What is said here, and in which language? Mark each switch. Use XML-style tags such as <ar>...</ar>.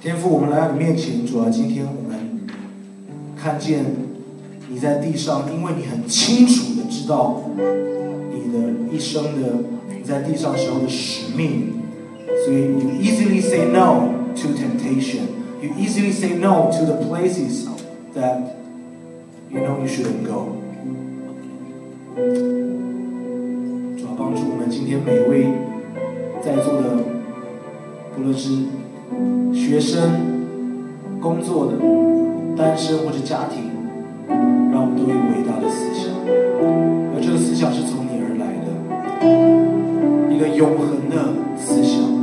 <zh>天父，我们来到你面前，主啊，今天我们看见你在地上，因为你很清楚的知道你的一生的你在地上时候的使命，所以</zh> <en>you easily say no to temptation, you easily say no to the places that you know you shouldn't go.</en> <zh>主要帮助我们今天每位在座的，不论是学生、工作的、单身或者家庭，让我们都有伟大的思想，而这个思想是从你而来的，一个永恒的思想。</zh>